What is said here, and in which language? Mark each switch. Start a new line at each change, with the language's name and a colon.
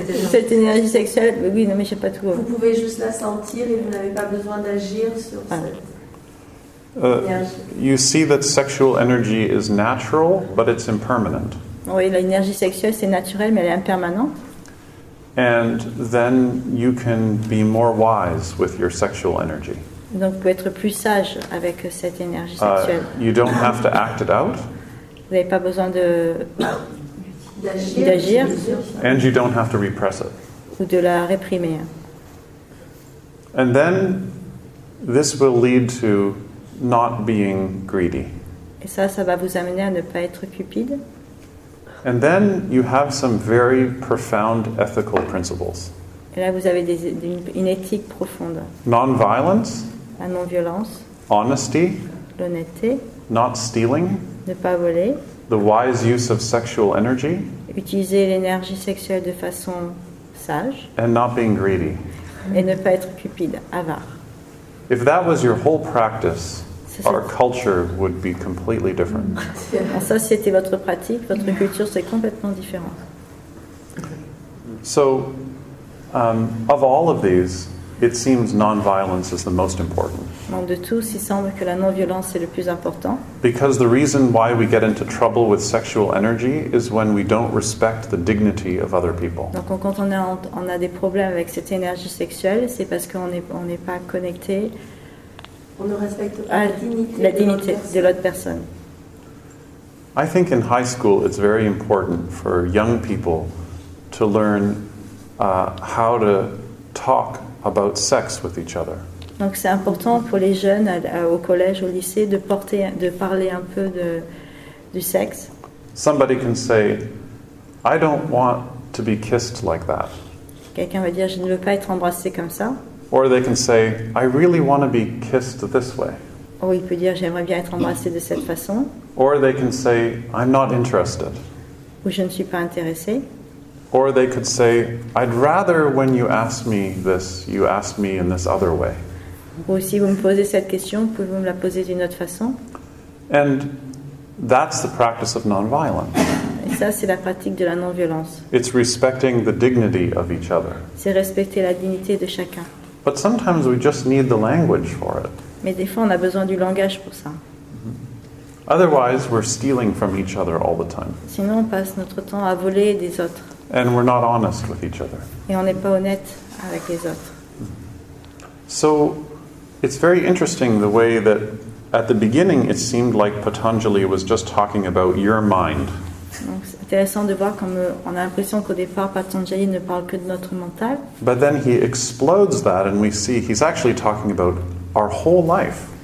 French: Cette énergie sexuelle, mais oui, non, mais j'ai pas tout. Vous pouvez juste la sentir et vous n'avez pas besoin d'agir sur cette énergie.
English: You see that sexual energy is natural, but it's impermanent.
French: Oui, l'énergie sexuelle, c'est naturel, mais elle est impermanente.
English: And then you can be more wise with your sexual energy.
French: Donc, vous pouvez être plus sage avec cette énergie sexuelle.
English: You don't have to act it out.
French: Vous n'avez pas besoin de d'agir.
English: And you don't have to repress it.
French: Ou de la réprimer.
English: And then this will lead to not being greedy.
French: Et ça va vous amener à ne pas être cupide.
English: And then you have some very profound ethical principles.
French: Et là, vous avez une éthique profonde.
English: Non-violence.
French: La non-violence.
English: Honesty.
French: L'honnêteté.
English: Not stealing.
French: Ne pas voler.
English: The wise use of sexual energy.
French: Utiliser l'énergie sexuelle de façon sage.
English: And not being greedy.
French: Et ne pas être cupide, avare.
English: If that was your whole practice, our culture would be completely different.
French: Ça, c'était votre pratique. Votre culture, c'est complètement différent.
English: So, of all of these, it seems non-violence is the most important.
French: Donc de tous, il semble que la non-violence est le plus important.
English: Because the reason why we get into trouble with sexual energy is when we don't respect the dignity of other people.
French: Donc quand on a des problèmes avec cette énergie sexuelle, c'est parce qu'on n'est pas connecté. On ne respecte pas la dignité de l'autre personne.
English: I think in high school it's very important for young people to learn how to talk about sex with each other.
French: Donc c'est important pour les jeunes au collège, au lycée, de parler un peu du sexe.
English: Somebody can say, I don't want to be kissed like that.
French: Quelqu'un va dire, je ne veux pas être embrassé comme ça.
English: Or they can say, I really want to be kissed this way.
French: Ou il peut dire, j'aimerais bien être embrassé de cette façon.
English: Or they can say, I'm not interested.
French: Ou je ne suis pas intéressé.
English: Or they could say, I'd rather when you ask me this, you ask me in this other way.
French: Ou si vous me posez cette question, pouvez-vous me la poser d'une autre façon?
English: And that's the practice of non-violence.
French: Et ça, c'est la pratique de la non-violence.
English: It's respecting the dignity of each other.
French: C'est respecter la dignité de chacun.
English: But sometimes we just need the language for it.
French: Mais des fois, on a besoin du langage pour ça.
English: Otherwise, we're stealing from each other all the time.
French: Sinon, on passe notre temps à voler des autres.
English: And we're not honest with each other.
French: Et on n'est pas honnête avec les autres.
English: So, it's very interesting the way that at the beginning it seemed like Patanjali was just talking about your mind.
French: Donc, c'est intéressant de voir comme on a l'impression qu'au départ Patanjali ne parle que de notre mental.
English: But then he explodes that and we see he's actually talking about our whole life.